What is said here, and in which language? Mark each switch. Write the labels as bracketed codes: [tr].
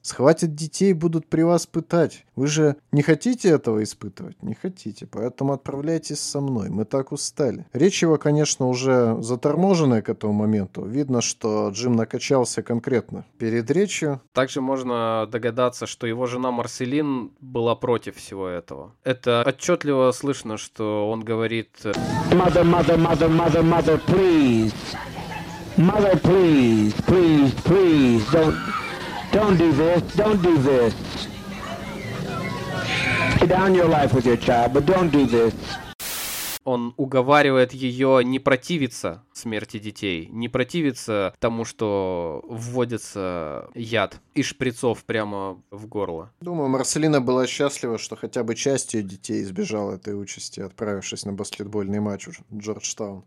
[ru] Схватят детей, будут при вас пытать. Вы же не хотите этого испытывать? Не хотите, поэтому отправляйтесь со мной, мы так устали. Речь его, конечно, уже заторможенная к этому моменту. Видно, что Джим накачался конкретно перед речью. Также можно догадаться, что его жена Марселин была против всего этого. Это отчетливо слышно, что он говорит: [en] Mother, mother, mother, mother, mother, please. Mother, please, please, please, don't do this, don't do this. Put down your life with your child, but don't do this. [ru] он уговаривает ее не противиться смерти детей, не противиться тому, что вводится яд из шприцов прямо в горло. Думаю, Марселина была счастлива, что хотя бы часть ее детей избежала этой участи, отправившись на баскетбольный матч в Джорджтаун.